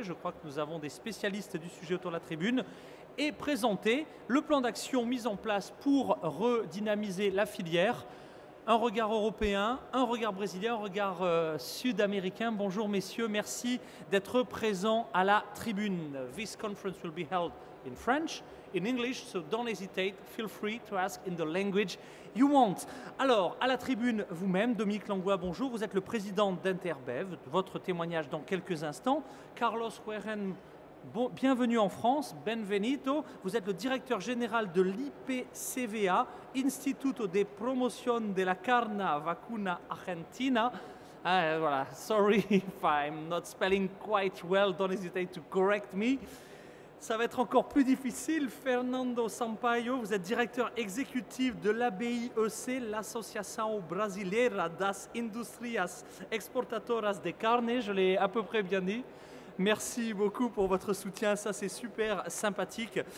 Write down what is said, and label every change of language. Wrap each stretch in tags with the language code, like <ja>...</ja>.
<fr>Je crois que nous avons des spécialistes du sujet autour de la tribune, et présenter le plan d'action mis en place pour redynamiser la filière. Un regard européen, un regard brésilien, un regard sud-américain. Bonjour messieurs, merci d'être présents à la tribune.</fr> <en>This conference will be held in French, in English, so don't hesitate, feel free to ask in the language you want.</en> <fr>Alors, à la tribune vous-même, Dominique Langlois, bonjour. Vous êtes le président d'Interbev, votre témoignage dans quelques instants. Carlos Huerren, bienvenue en France, benvenuto. Vous êtes le directeur général de l'IPCVA, Instituto de Promoción de la Carne Vacuna Argentina. Voilà,</fr> <en>sorry if I'm not spelling quite well, don't hesitate to correct me.</en> <fr>Ça va être encore plus difficile. Fernando Sampaio, vous êtes directeur exécutif de l'ABIEC, l'Association Brasileira das Industrias Exportadoras de Carne. Je l'ai à peu près bien dit. Merci beaucoup pour votre soutien, ça c'est super sympathique.</fr>